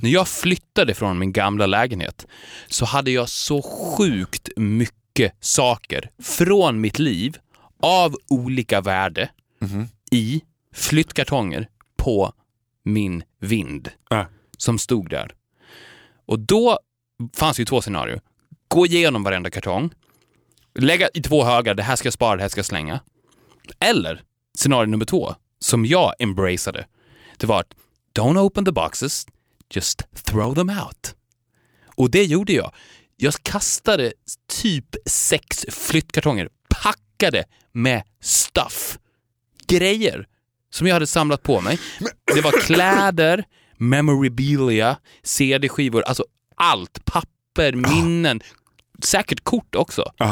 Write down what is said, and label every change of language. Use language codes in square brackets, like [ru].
[sv] När jag flyttade från min gamla lägenhet så hade jag så sjukt mycket saker från mitt liv av olika värde i flyttkartonger på min vind som stod där. Och då fanns ju två scenarier. Gå igenom varenda kartong, lägga i två högar, det här ska jag spara, det här ska jag slänga. Eller scenario nummer två, som jag embraceade. [en] Det var att, don't open the boxes, just throw them out. [sv] Och det gjorde jag. Jag kastade typ 6 flyttkartonger, packade med stuff. Grejer som jag hade samlat på mig. Det var kläder, memorabilia, CD-skivor, alltså allt. Papper, minnen, säkert kort också.